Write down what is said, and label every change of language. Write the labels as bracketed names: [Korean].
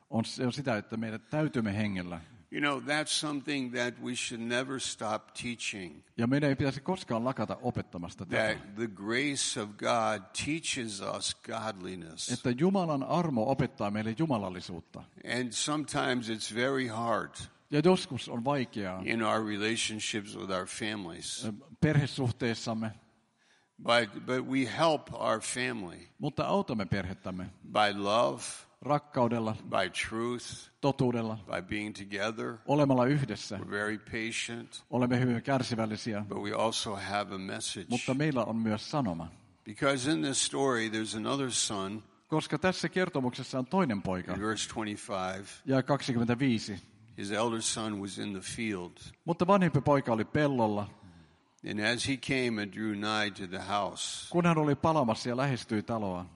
[Finnish] On sitä, että meidät täytymme hengellä. [English] You know, that's something that we should never stop teaching. [Finnish] Ja meidän ei pitäisi koskaan lakata opettamasta tätä. [English] That the grace of God teaches us godliness. [Finnish] Että Jumalan armo opettaa meille jumalallisuutta. [English] And sometimes it's very hard. [Finnish] Ja joskus on vaikeaa. [English] In our relationships with our families. [Finnish] Perhesuhteissamme. [English] But we help our family. [Finnish] Mutta autamme perhettämme. [English] By love. [Finnish] Rakkaudella, [English] by truth, [Finnish] totuudella, [English] by being together, [Finnish] olemalla yhdessä, [English] we're very patient, [Finnish] olemme hyvin kärsivällisiä, [English] but we also have a message. [Finnish] Mutta meillä on myös sanoma. [English] Because in this story there's another son, [Finnish] koska tässä kertomuksessa on toinen poika, [English] verse 25, [Finnish] ja 25, [English] his elder son was in the field, [Finnish] mutta vanhempi poika oli pellolla, [English] and as he came and drew nigh to the house, [Finnish] kun hän oli palamassa ja lähestyi taloa,